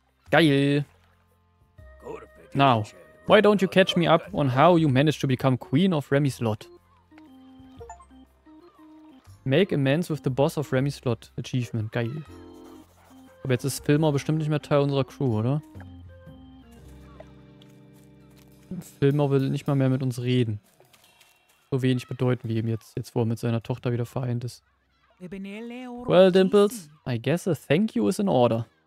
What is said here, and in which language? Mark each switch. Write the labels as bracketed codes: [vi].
[en] Geil. Now, Why don't you catch me up on how you managed to become queen of Remy's lot? Make amends with the boss of Remy's lot. Achievement. Geil. [de] Aber jetzt ist Filmer bestimmt nicht mehr Teil unserer Crew, oder? Filmer will nicht mal mehr mit uns reden. So wenig bedeuten wir ihm jetzt, wo er mit seiner Tochter wieder vereint ist. [en] Well, Dimples, I guess a thank you is in order.